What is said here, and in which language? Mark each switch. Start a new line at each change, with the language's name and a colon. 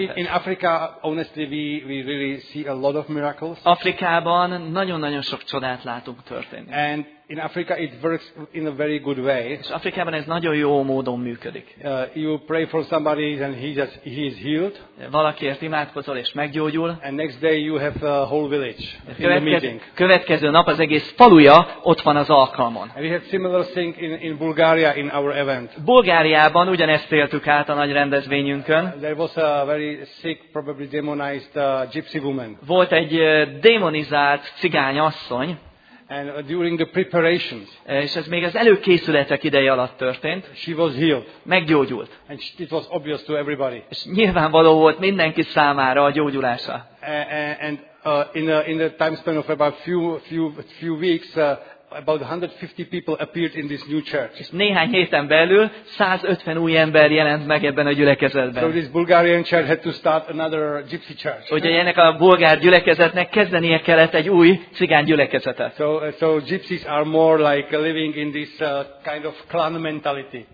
English: So in Africa, honestly, we really see a lot of miracles.
Hungarian: Afrikában nagyon-nagyon sok csodát látunk történni.
English: And in Africa it works in a very good way.
Hungarian: És Afrikában ez nagyon jó módon működik.
English: You pray for somebody and he is healed.
Hungarian: Valakiért imádkozol és meggyógyul.
English: And next day you have a whole village in the meeting.
Hungarian: Következő nap az egész faluja ott van az alkalmon.
English: And we had similar thing in Bulgaria in our event.
Hungarian: Bulgáriában ugyanezt éltük át a nagy rendezvényünkön.
English: There was a very sick, probably demonized gypsy woman.
Hungarian: Volt egy démonizált cigány asszony.
English: And during the preparations.
Hungarian: És ez még az előkészületek ideje alatt történt.
English: She was healed.
Hungarian: Meggyógyult.
English: And it was obvious to everybody.
Hungarian: És nyilvánvaló volt mindenki számára a gyógyulása.
English: In the time span of about few weeks, about 150 people appeared in this new church.
Hungarian: És néhány héten belül 150 új ember jelent meg ebben a gyülekezetben.
English: So this Bulgarian church had to start another gypsy church.
Hungarian: Ugye ennek a bulgár gyülekezetnek kezdenie kellett egy új cigány gyülekezetet.
English: So gypsies are more like living in this kind of clan mentality.